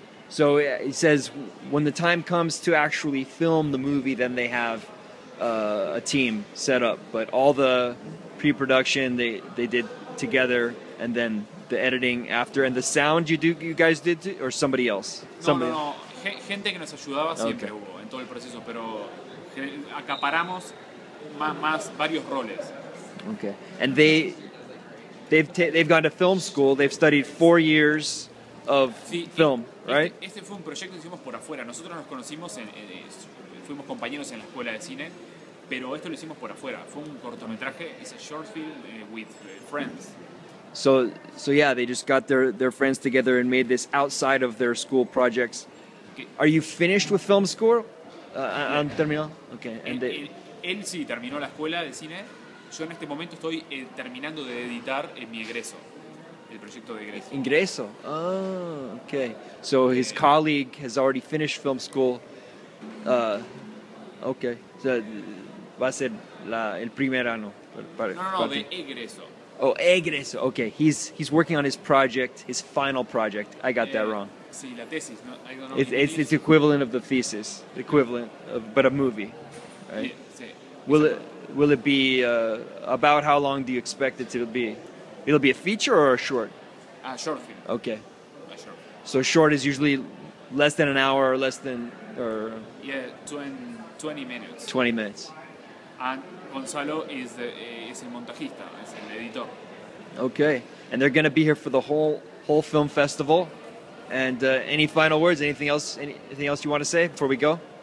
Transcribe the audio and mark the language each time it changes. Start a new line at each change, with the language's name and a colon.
English: So it says, when the time comes to actually film the movie, then they have a team set up. But all the pre-production they did together, and then the editing after, and the sound you guys did, or somebody else? No.
Spanish: Gente que nos ayudaba siempre okay. hubo en todo el proceso, pero acaparamos más varios roles.
English: Okay. And they've gone to film school. They've studied 4 years. Of
Spanish: sí,
English: film, right?
Spanish: Este fue un proyecto que hicimos por afuera. Nosotros nos conocimos, fuimos compañeros en la escuela de cine, pero esto lo hicimos por afuera. Fue un cortometraje, es un
English: short film with friends. So yeah, they just got their friends together and made this outside of their school projects. Okay. Are you finished with film school?
Spanish: ¿Han terminado? Okay. Él sí terminó la escuela de cine. Yo en este momento estoy terminando de editar mi egreso. El proyecto de egreso.
English: Ingreso. Oh, okay. So his colleague has already finished film school.
Spanish: Okay. So va a ser el primer año. De egreso.
English: Oh, egreso. Okay. He's working on his project, his final project. I got that wrong.
Spanish: Sí, la tesis. No,
English: I don't know. It's equivalent of the thesis. Equivalent, of, but a movie. Right?
Spanish: Sí.
English: Will it be about how long do you expect it to be? It'll be a feature or a short? A short film. Okay. A short film. So short is usually less than an hour or less than... or. Yeah, 20 minutes. 20 minutes. And Gonzalo is
Spanish: el montajista, es el editor.
English: Okay. And they're going to be here for the whole film festival. And any final words? Anything else you want to say before we go?